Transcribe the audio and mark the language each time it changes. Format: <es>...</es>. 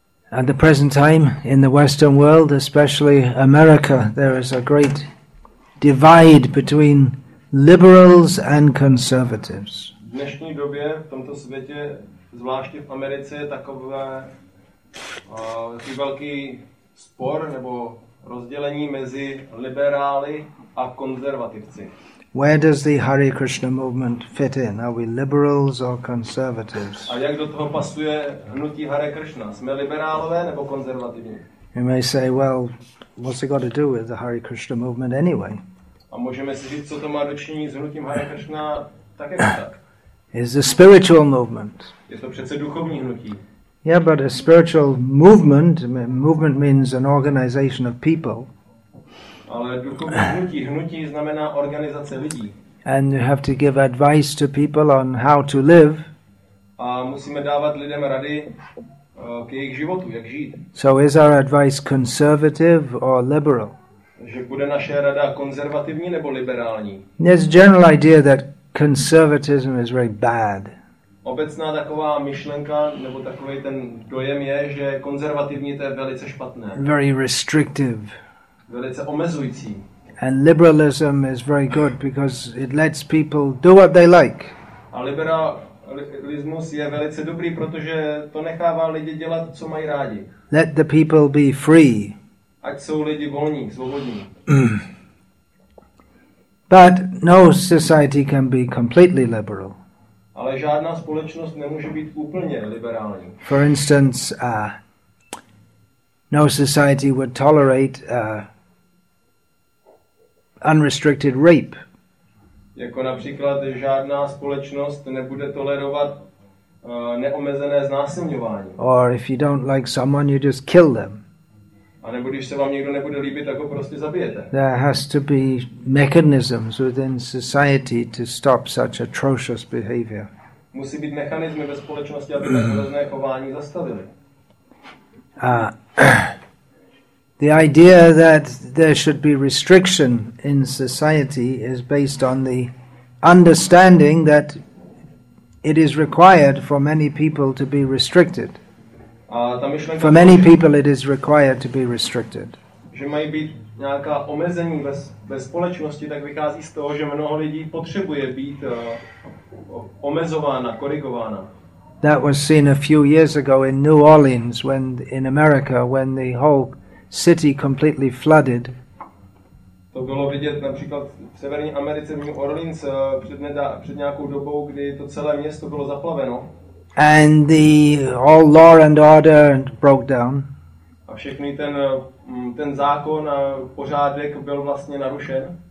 <en>At the present time in the Western world, especially America, there is a great divide between liberals and conservatives.</en> <cs>V dnešní době, v tomto světě, zvláště v Americe, je takové velký spor nebo rozdělení mezi liberály a konzervativci.</cs> <en>Where does the Hare Krishna movement fit in? Are we liberals or conservatives?</en> <cs>A jak do toho pasuje hnutí Hare Krishna? Jsme liberálové nebo konzervativní?</cs> <en>You may say, well, what's it got to do with the Hare Krishna movement anyway?</en> <cs>A můžeme si říct, co to má dočinění s hnutím Hare Krishna tak</cs> <en>is a spiritual movement.</en> <cs>Je to přece duchovní hnutí.</cs> <en>Yeah, but a spiritual movement means an organization of people.</en> <cs>Ale duchovní hnutí znamená organizace lidí.</cs> <en>And you have to give advice to people on how to live.</en> <cs>A musíme dávat lidem rady k jejich životu, jak žít.</cs> <en>So is our advice conservative or liberal?</en> <cs>Že bude naše rada konzervativní nebo liberální?</cs> <en>There's a general idea that conservatism is very bad.</en> <cs>Obecná taková myšlenka nebo takový ten dojem je, že konzervativní to je velice špatné.</cs> <en>Very restrictive.</en> <cs>Velice omezující.</cs> <en>And liberalism is very good because it lets people do what they like.</en> <cs>A liberalismus je velice dobrý, protože to nechává lidi dělat, co mají rádi.</cs> <en>Let the people be free.</en> <cs>Ať jsou lidi volní, svobodní.</cs> <en>But no society can be completely liberal.</en> <cs>Ale žádná společnost nemůže být úplně liberální.</cs> <en>For instance, no society would tolerate unrestricted rape.</en> <cs>Jako například žádná společnost nebude tolerovat neomezené znásilňování.</cs> <en>Or if you don't like someone, you just kill them.</en> <cs>A nebo když se vám někdo nebude líbit, tak ho prostě zabijete.</cs> <en>There has to be mechanisms within society to stop such atrocious behavior.</en> <cs>Musí být mechanismy ve společnosti, aby takové chování zastavili.</cs> <en>The idea that there should be restriction in society is based on the understanding that it is required for many people to be restricted. For many people it is required to be restricted.</en> <cs>Že mají být nějaká omezení ve společnosti, tak vychází z toho, že mnoho lidí potřebuje být omezována, korigována.</cs> <en>That was seen a few years ago in New Orleans when in America when the whole city completely flooded.</en> <cs>To bylo vidět například v severní Americe v New Orleans před nějakou dobou, kdy to celé město bylo zaplaveno.</cs> <en>And the all law and order broke down.</en> <cs>A všechny ten zákon a pořádek byl vlastně narušen.</cs>